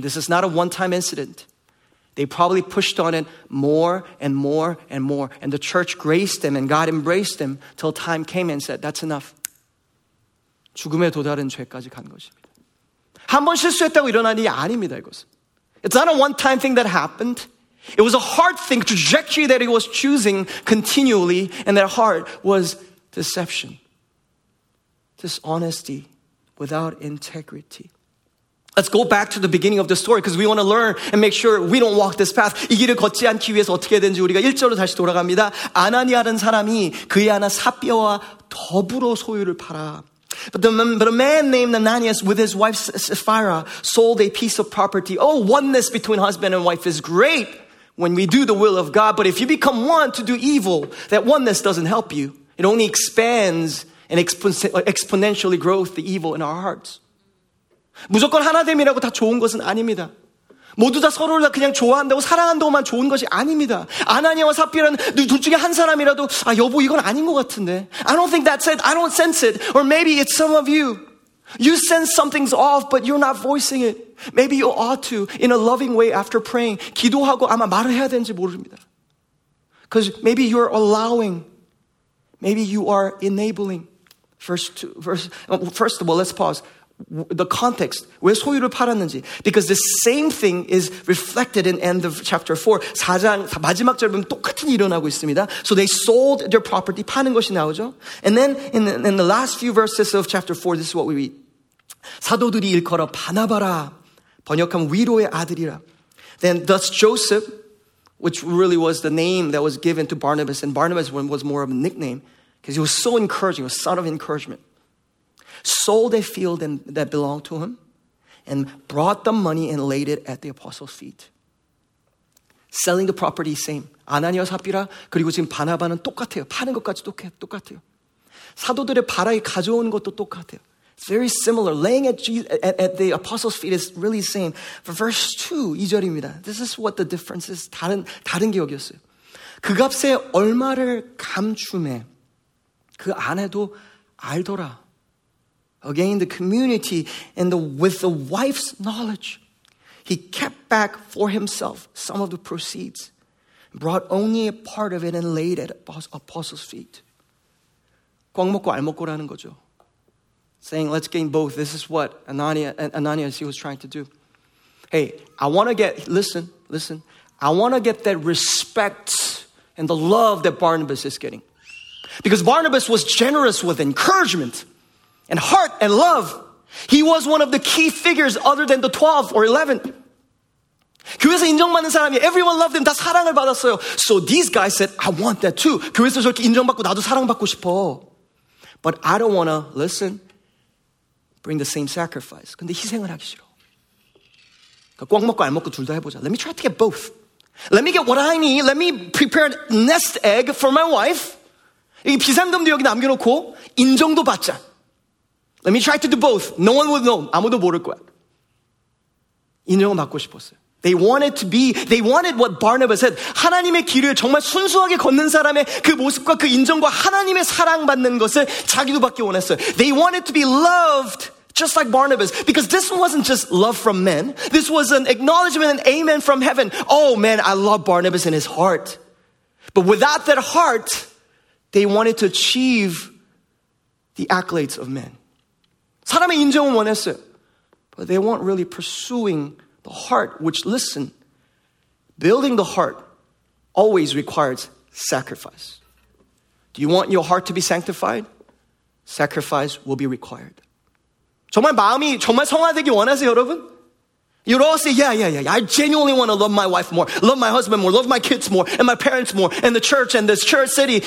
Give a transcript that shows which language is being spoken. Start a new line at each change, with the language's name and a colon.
English: This is not a one-time incident. They probably pushed on it more and more and more. And the church graced them and God embraced them till time came and said, that's enough.
Korean: 죽음에 도달한 죄까지 간 것입니다. 한 번 실수했다고 일어난 일이 아닙니다, 이것은.
English: It's not a one-time thing that happened. It was a hard thing, trajectory that he was choosing continually, and their heart was deception. Dishonesty without integrity. Let's go back to the beginning of the story because we want to learn and make sure we don't walk this path.
Korean: 이 길을 걷지 않기 위해서 어떻게 해야 되는지 우리가 1절로 다시 돌아갑니다. 아나니아라는 사람이 그의 아나 삽비아와 더불어 소유를 팔아.
English: But a man named Ananias with his wife Sapphira sold a piece of property. Oh, oneness between husband and wife is great when we do the will of God. But if you become one to do evil, that oneness doesn't help you. It only expands and exponentially grows the evil in our hearts.
Korean: 무조건 하나됨이라고 다 좋은 것은 아닙니다. 모두 다 서로를 그냥 좋아한다고 사랑한다고만 좋은 것이 아닙니다. 아나니아와 삽비라는 둘 중에 한 사람이라도 아 여보 이건 아닌 것 같은데.
English: I don't think that's it. I don't sense it. Or maybe it's some of you. You sense something's off, but you're not voicing it. Maybe you ought to, in a loving way, after praying.
Korean: 기도하고 아마 말을 해야 되는지 모릅니다.
English: Because maybe you're allowing, maybe you are enabling. First of all, let's pause. The context,
Korean: 왜 소유를 팔았는지.
English: Because the same thing is reflected in end of chapter 4.
Korean: 4장 마지막 절 보면 똑같은 일이 일어나고 있습니다.
English: So they sold their property,
Korean: 파는 것이 나오죠.
English: And then in the last few verses of chapter 4, this is what we read.
Korean: 사도들이 일컬어 바나바라, 번역하면 위로의 아들이라.
English: Then thus Joseph, which really was the name that was given to Barnabas, and Barnabas was more of a nickname, because he was so encouraging, a son of encouragement, sold a field that belonged to him, and brought the money and laid it at the apostles' feet. Selling the property, same.
Korean: 아나니아 삽비라, 그리고 지금 바나바는 똑같아요. 파는 것까지 똑같아요. 사도들의 바라에 가져온 것도 똑같아요.
English: Very similar. Laying at Jesus, at the apostles' feet is really the same. For verse 2,
Korean: 2절입니다.
English: This is what the difference is.
Korean: 다른 게 여기였어요. 그 값에 얼마를 감춤에 그 아내도 알더라.
English: Again, the community and with the wife's knowledge, he kept back for himself some of the proceeds, brought only a part of it and laid at apostles' feet.
Korean: 꽉 먹고 알 먹고라는 거죠.
English: Saying, let's gain both. This is what Ananias, he was trying to do. Hey, I want to get, listen. I want to get that respect and the love that Barnabas is getting. Because Barnabas was generous with encouragement and heart and love. He was one of the key figures other than the 12 or 11.
Korean: 교회에서 인정받는 사람이
English: everyone loved him.
Korean: 다 사랑을 받았어요.
English: So these guys said, I want that too.
Korean: 교회에서 저렇게 인정받고 나도 사랑받고 싶어.
English: But I don't want to, listen. Bring the same sacrifice.
Korean: 근데 희생을 하기 싫어. 그러니까 꽉 먹고 알 먹고 둘 다 해보자.
English: Let me try to get both. Let me get what I need. Let me prepare a nest egg for my wife.
Korean: 이 비상금도 여기 남겨놓고 인정도 받자.
English: Let me try to do both. No one will know.
Korean: 아무도 모를 거야. 인정을 받고 싶었어요.
English: They wanted to be, they wanted what Barnabas said.
Korean: 하나님의 길을 정말 순수하게 걷는 사람의 그 모습과 그 인정과 하나님의 사랑받는 것을 자기도 받기 원했어요.
English: They wanted to be loved just like Barnabas. Because this wasn't just love from men. This was an acknowledgement, an amen from heaven. Oh man, I love Barnabas in his heart. But without that heart, they wanted to achieve the accolades of men.
Korean: 사람의 인정은 원했어요.
English: But they weren't really pursuing the heart, which, listen, building the heart always requires sacrifice. Do you want your heart to be sanctified? Sacrifice will be required.
Korean: 정말 마음이 정말 성화되기 원하세요, 여러분?
English: You'd all say, yeah. I genuinely want to love my wife more, love my husband more, love my kids more, and my parents more, and the church, and this church city.